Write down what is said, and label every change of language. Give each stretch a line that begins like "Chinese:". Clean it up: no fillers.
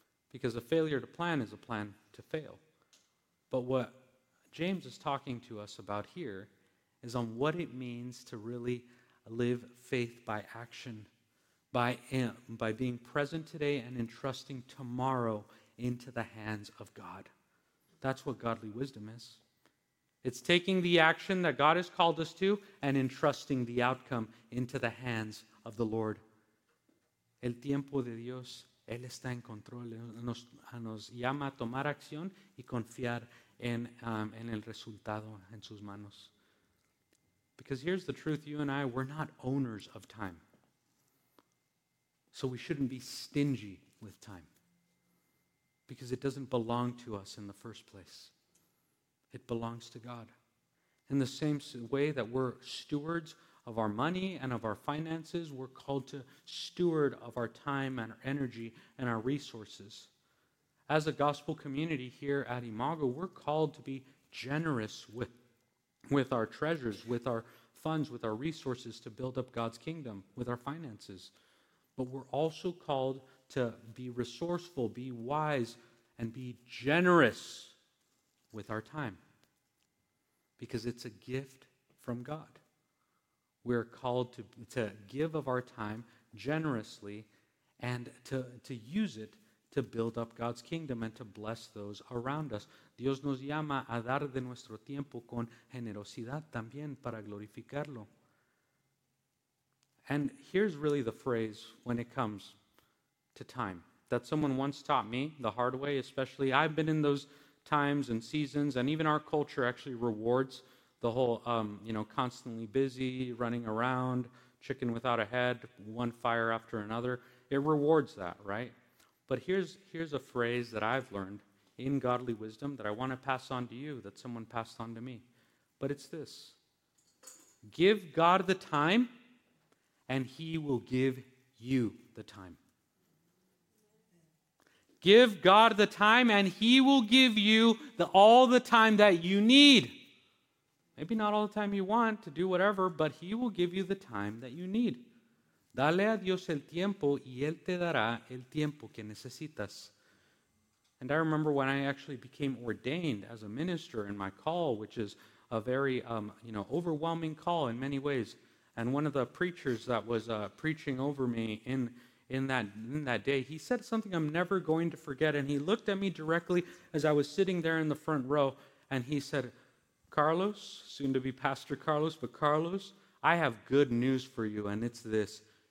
English: Because a failure to plan is a plan to fail. But what James is talking to us about here is on what it means to really live faith by action, by being present today and entrusting tomorrow into the hands of God. That's what godly wisdom is. It's taking the action that God has called us to and entrusting the outcome into the hands of the Lord.
Spanish: El tiempo de Dios, Él está en control. Nos llama a tomar acción y confiar en el resultado, en sus manos.
English: Because here's the truth, you and I, we're not owners of time. So we shouldn't be stingy with time. Because it doesn't belong to us in the first place. It belongs to God. In the same way that we're stewards of our money and of our finances, we're called to steward of our time and our energy and our resources. As a gospel community here at Imago, we're called to be generous with with our treasures, with our funds, with our resources to build up God's kingdom, with our finances. But we're also called to be resourceful, be wise, and be generous with our time, because it's a gift from God. We're called to give of our time generously and to use it to build up God's kingdom and to bless those around us.
Spanish: Dios nos llama a dar de nuestro tiempo con generosidad también para glorificarlo.
English: And here's really the phrase when it comes to time that someone once taught me the hard way, especially. I've been in those times and seasons, and even our culture actually rewards the whole, constantly busy, running around, chicken without a head, one fire after another. It rewards that, right? But here's a phrase that I've learned in godly wisdom that I want to pass on to you, that someone passed on to me. But it's this: give God the time, and he will give you the time. Give God the time, and he will give you all the time that you need. Maybe not all the time you want to do whatever, but he will give you the time that you need.
Spanish: Dale a Dios el tiempo y él te dará el tiempo que necesitas.
English: And I remember when I actually became ordained as a minister in my call, which is a very overwhelming call in many ways. And one of the preachers that was preaching over me in that day, he said something I'm never going to forget. And he looked at me directly as I was sitting there in the front row, and he said, "Carlos," soon to be Pastor Carlos, "but Carlos, I have good news for you, and it's this.